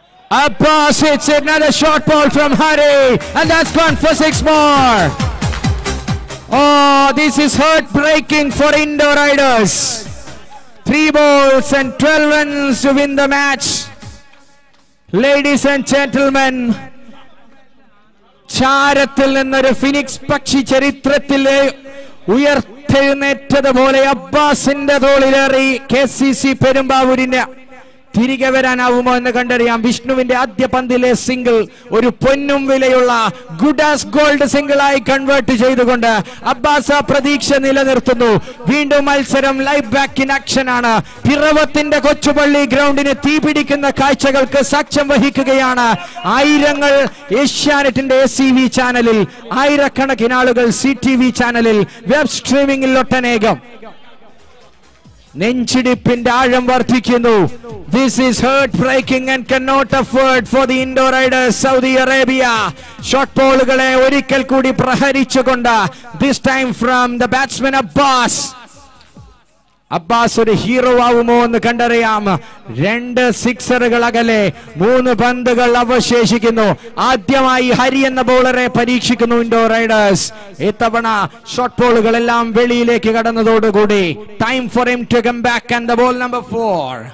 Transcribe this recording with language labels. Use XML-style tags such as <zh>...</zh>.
<en>Abbas hits another short ball from Hari, and that's gone for 6 more. Oh, this is heartbreaking for Indo Riders. 3 balls and 12 runs to win the match. Ladies and gentlemen,</en> <ml>ചാരത്തിൽ നിന്നൊരു phoenix പക്ഷി ചരിത്രത്തിലെ ഉയർത്തെഴുന്നേറ്റതുപോലെ അബ്ബാസിന്റെ തോളിലേറി KCC പെരുമ്പാവൂരിന് തിരികെ വരാനാവുമോ എന്ന് കണ്ടറിയാം. വിഷ്ണുവിന്റെ ആദ്യ പന്തിലെ single ഒരു പൊന്നും വിലയുള്ള</ml> <en>good as gold</en> <ml>സിംഗിൾ ആയി കൺവേർട്ട് ചെയ്തുകൊണ്ട് അബ്ബാസ് ആ പ്രതീക്ഷ നിലനിർത്തുന്നു. വീണ്ടും മത്സരം</ml> <en>live back in action</en> <ml>ആണ്. പിറവത്തിന്റെ കൊച്ചുപള്ളി ഗ്രൗണ്ടിന് തീപിടിക്കുന്ന കാഴ്ചകൾക്ക് സാക്ഷ്യം വഹിക്കുകയാണ് ആയിരങ്ങൾ. ഏഷ്യാനെറ്റിന്റെ SCV ചാനലിൽ ആയിരക്കണക്കിന് ആളുകൾ, CTV ചാനലിൽ, വെബ് സ്ട്രീമിംഗിൽ ഒട്ടനേകം. നെഞ്ചിടിപ്പിന്റെ ആഴം വർദ്ധിക്കുന്നു.</ml> <en>This is heart breaking and cannot afford for the Indo Riders, Saudi Arabia. Short ballകളെ</en> <ml>ഒരിക്കൽ കൂടി പ്രഹരിച്ചുകൊണ്ട്</ml> <en>this time from the batsman Abbas.</en> <ml>Abbas ഒരു ഹീറോ ആവുമോ എന്ന് കണ്ടറിയാം. രണ്ട് സിക്സറുകൾ അകലെ മൂന്ന് പന്തുകൾ അവശേഷിക്കുന്നു. ആദ്യമായി ഹരി എന്ന ബോളറെ പരീക്ഷിക്കുന്നു ഇൻഡോ റൈഡേഴ്സ്. ഇത്തവണ ഷോട്ട് ബോളുകൾ എല്ലാം വെളിയിലേക്ക് കടന്നതോടുകൂടി</ml> <en>Time for him to come back and the ball number four.</en>